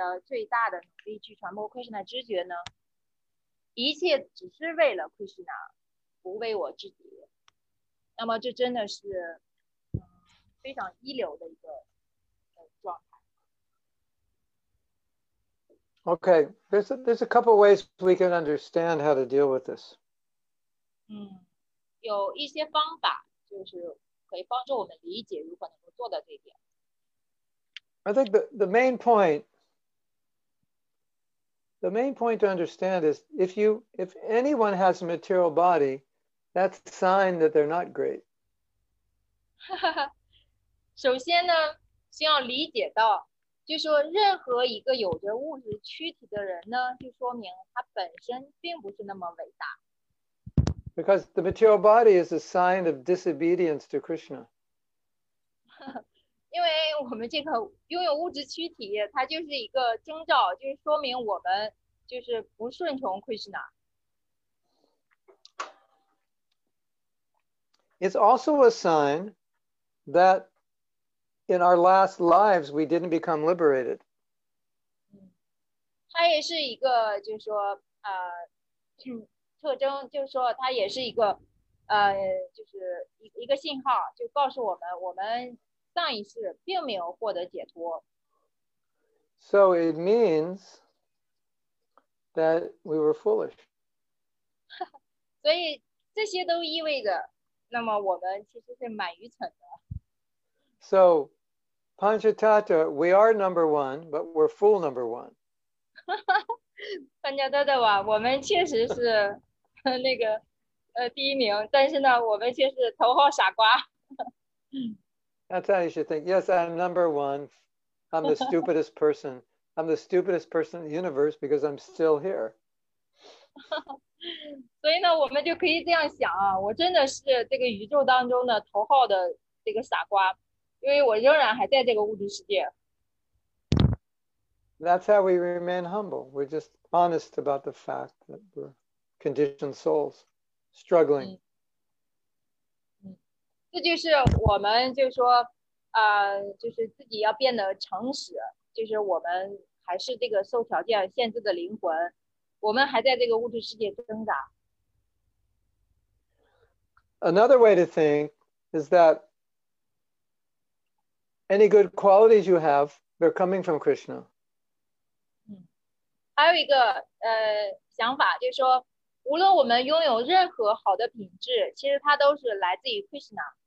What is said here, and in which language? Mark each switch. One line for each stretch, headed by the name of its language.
Chinese: 就是潘达他的娃他就说我很伟大，我是第一名，我怎么能够就是说去除这种假我，然后呢尽我们自己的最大的努力去传播 Krishna 知觉呢，一切只是为了 Krishna， 不为我自己，那么这真的是非常一流的一个状态。
English: Okay, there's a couple ways we can understand how to deal with this.
Chinese: 有一些方法就是可以帮助我们理解如何能够做到这一点。
English: I think the main point to understand is if anyone has a material body, that's a sign that they're not great.
Chinese: 首先呢，先要理解到就说任何一个有着物质躯体的人呢，就说明他本身并不是那么伟大。
English: Because the material body is a sign of disobedience to Krishna.
Chinese: 因为我们这个拥有物质躯体，它就是一个征兆，就是说明我们就是不顺从 Krishna。
English: It's also a sign that in our last lives we didn't become liberated.
Chinese: 它也是一个，就是说，特征，就是说，它也是一个，就是一个信号，就告诉我们，我们上一世并没有获得解脱。
English: So it means that we were foolish.
Chinese: 所以这些都意味着。那么我们其实是蛮愚蠢的。
English: So, Panchatattva, we are number one, but we're fool number one.
Chinese: Panchatattva, 我们确实是那个第一名，但是呢，我们却是头号傻瓜。
English: That's how you should think. Yes, I'm number one. I'm the stupidest person. I'm the stupidest person in the universe because I'm still here.
Chinese: 所以呢，我们就可以这样想啊，我真的是这个宇宙当中的头号的这个傻瓜，因为我仍然还在这个物质世界。
English: That's how we remain humble. We're just honest about the fact that we're conditioned souls struggling.
Chinese: 嗯，这就是我们就是说，就是自己要变得诚实，就是我们还是这个受条件限制的灵魂。我们还在这个物质世界挣扎。
English: Another way to think is that any good qualities you have, they're coming from Krishna.
Chinese: 嗯，还有一个想法就是说，无论我们拥有任何好的品质，其实它都是来自于 Krishna。